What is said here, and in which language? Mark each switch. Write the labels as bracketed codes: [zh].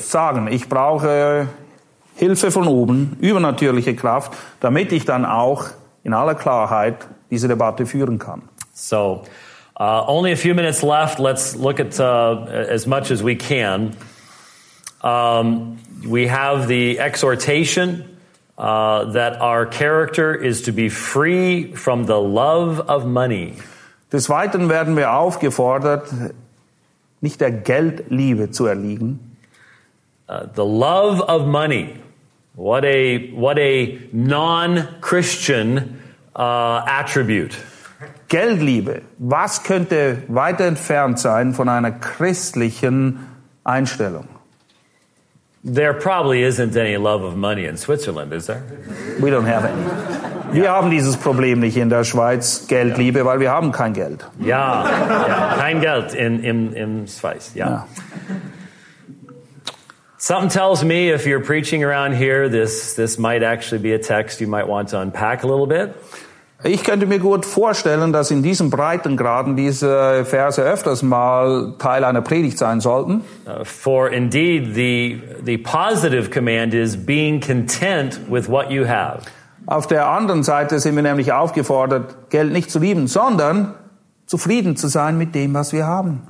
[de] Sagen, ich brauche Hilfe von oben, übernatürliche Kraft, damit ich dann auch in aller Klarheit diese Debatte führen kann. [en] So, only a few minutes left. Let's look at as much as we can. We have the exhortation that our character is to be free from the love of money. [de] Des Weiteren werden wir aufgefordert, nicht der Geldliebe zu erliegen. [en] The love of money. What a non-Christian attribute. [de] Geldliebe. Was könnte weiter entfernt sein von einer christlichen Einstellung? [en] There probably isn't any love of money in Switzerland, is there? We don't have any. [de] Wir haben dieses Problem nicht in der Schweiz, Geldliebe, weil wir haben kein Geld. Ja, ja, kein Geld in Schweiz, ja. Ja. [en] Something tells me if you're preaching around here, this might actually be a text you might want to unpack a little bit. [de] Ich könnte mir gut vorstellen, dass in diesen Breitengraden diese Verse öfters mal Teil einer Predigt sein sollten. [en] For indeed the positive command is being content with what you have. [de] Auf der anderen Seite sind wir nämlich aufgefordert, Geld nicht zu lieben, sondern zufrieden zu sein mit dem, was wir haben.